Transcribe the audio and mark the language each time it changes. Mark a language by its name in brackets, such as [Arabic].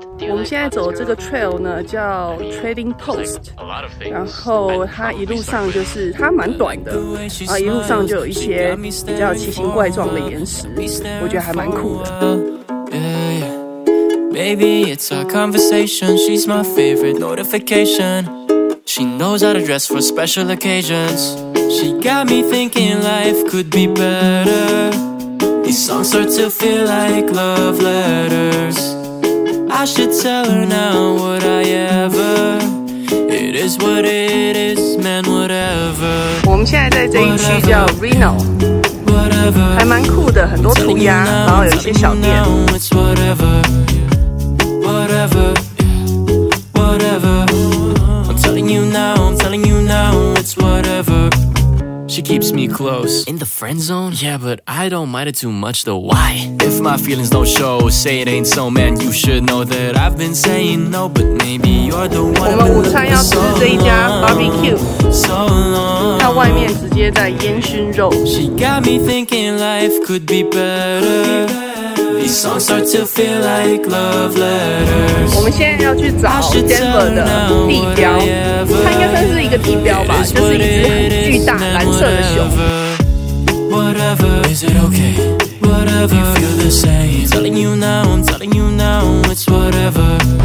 [Chinese] 我们现在走的这个 trail 呢叫 Trading Post， 然后它一路上就是它蛮短的啊，一路上就有一些比较奇形怪状的岩石，我觉得还蛮酷的。 [English] Baby, it's our conversation. She's my favorite notification. She knows how to dress for special occasions. She got me thinking life could be better. These songs start to feel like love letters. I should tell her now what I ever. It is what it is, man. Whatever. [Chinese] 我们现在在这一区叫 Reno， 还蛮酷的，很多涂鸦，然后有一些小店。 [English] Now, it's whatever, whatever, whatever. I'm telling you now, I'm telling you now, it's whatever. She keeps me close in the friend zone. Yeah, but I don't mind it too much though. Why? If my feelings don't show, say it ain't so, man. You should know that I've been saying no, but maybe you're the one. [Chinese] 我们午餐要吃这一家 barbecue， 它外面直接在烟熏肉。 [English] She got me thinking life could be better. These songs start to feel like love letters. [Chinese] 我们现在要去找 Denver 的地标，它应该算是一个地标吧，就是一只很巨大蓝。 [English] Whatever, whatever, is it okay? Whatever, you feel the same. Telling you now, I'm telling you now, it's whatever.